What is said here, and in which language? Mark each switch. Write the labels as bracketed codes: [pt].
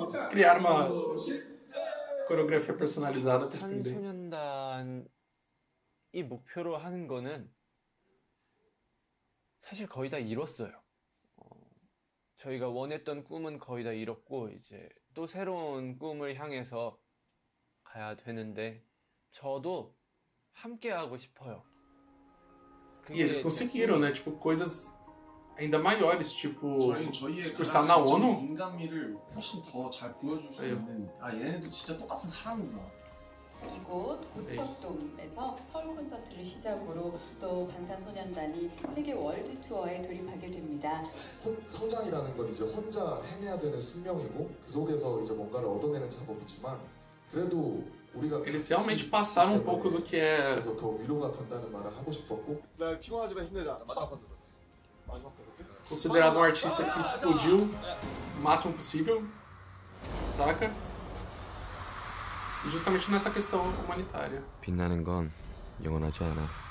[pt] Criar uma coreografia personalizada para esse primeiro. [ko] 한국소년단이 목표로 하는 거는 사실 거의 다 이뤘어요. 저희가 원했던 꿈은 거의 다 이뤘고 이제 또 새로운 꿈을 향해서 가야 되는데 저도 함께 하고 싶어요. [pt] E eles conseguiram, né? Tipo coisas ainda maiores, tipo discursar na ONU. [ko] 인간미를 훨씬 더 잘 보여줄 수 있는 아 얘네도 진짜 똑같은 사람이구나. 이곳 고척돔에서 서울 콘서트를 시작으로 또 방탄소년단이 세계 월드 투어에 돌입하게 됩니다. 서장이라는 건 이제 혼자 헤매야 되는 숙명이고 그 속에서 이제 뭔가를 얻어내는 작업이지만 그래도 우리가 [pt] eles realmente passaram um pouco do que é [ko] 그래서 더 위로가 된다는 말을 하고 싶었고 나 피곤하지만 힘내자 마지막 콘서트 마지막 콘서트 [pt] considerado um artista que explodiu o máximo possível, saca? Justamente nessa questão humanitária. [ko] 빛나는 건 영원하지 않아.